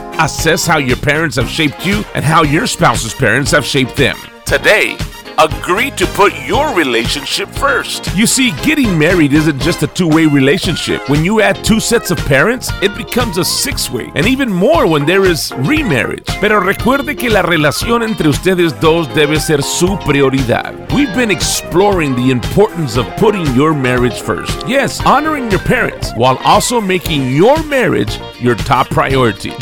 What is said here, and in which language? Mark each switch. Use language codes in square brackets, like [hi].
[en] Assess how your parents have shaped you and how your spouse's parents have shaped them. Today, agree to put your relationship first. You see, getting married isn't just a two-way relationship. When you add two sets of parents, it becomes a six-way, and even more when there is remarriage. [es] Pero recuerde que la relación entre ustedes dos debe ser su prioridad. [en] We've been exploring the importance of putting your marriage first. Yes, honoring your parents, while also making your marriage your top priority.